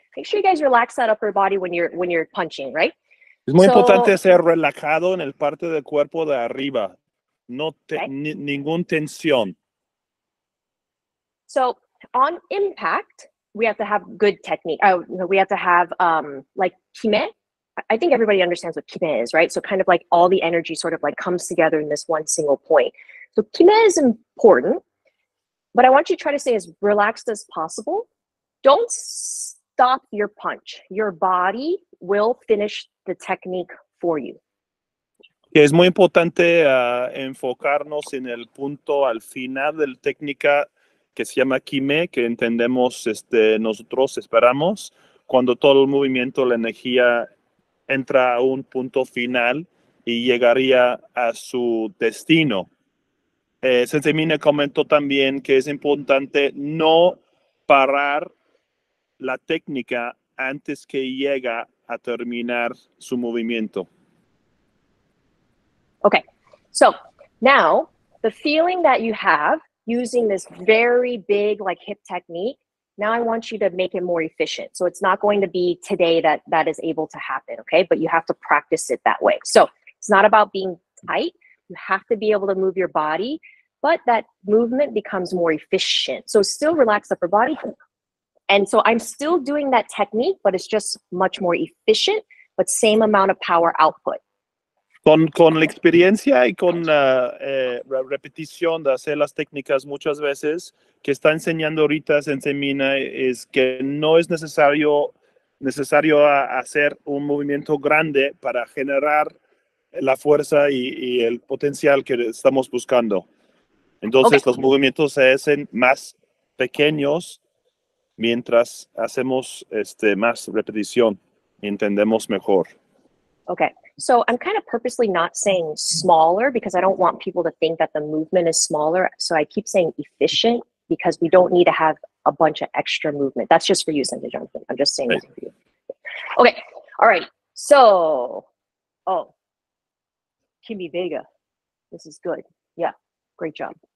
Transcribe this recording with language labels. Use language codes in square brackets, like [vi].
[en] Make sure you guys relax that upper body when you're punching, right? [es] Es muy importante ser relajado en el parte del cuerpo de arriba. No ningún tensión. [en] So on impact, we have to have good technique. We have to have like kime. I think everybody understands what kime is, right? So kind of like all the energy sort of like comes together in this one single point. So kime is important, but I want you to try to stay as relaxed as possible. Don't stop your punch. Your body will finish the technique for you. [es] Es muy importante enfocarnos en el punto al final de la técnica que se llama kime, que entendemos nosotros esperamos, cuando todo el movimiento, la energía entra a un punto final y llegaría a su destino. Sensei Mina comentó también que es importante no parar la técnica antes que llega a terminar su movimiento. [en] Okay, so now the feeling that you have using this very big like hip technique, now I want you to make it more efficient. So it's not going to be today that is able to happen, okay? But you have to practice it that way. So it's not about being tight. You have to be able to move your body, but that movement becomes more efficient. So still relax upper body. And so I'm still doing that technique, but it's just much more efficient, but same amount of power output. [es] Con la experiencia y con la repetición de hacer las técnicas muchas veces, que está enseñando ahorita Sensei Mina, es que no es necesario hacer un movimiento grande para generar la fuerza y el potencial que estamos buscando. Entonces, okay, los movimientos se hacen más pequeños mientras hacemos más repetición y entendemos mejor. [en] Okay. So I'm kind of purposely not saying smaller because I don't want people to think that the movement is smaller. So I keep saying efficient because we don't need to have a bunch of extra movement. That's just for you, Sensei Jonathan. I'm just saying that for you. Okay. All right. So, oh, Kimi Vega. This is good. Yeah, great job.